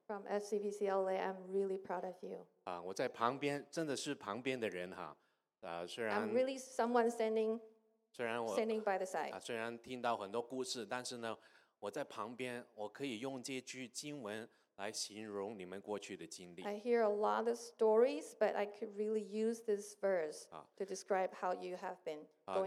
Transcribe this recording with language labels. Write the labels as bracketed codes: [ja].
[en] From FCBC LA, I'm really proud of you. [zh] 我在旁边，真的是旁边的人哈。虽然 [en] I'm really someone standing by the side. [zh] 虽然听到很多故事，但是呢，我在旁边，我可以用这句经文。来形容你们过去的经历。 [en] I hear a lot of stories, but I could really use this verse to describe how you have been going through.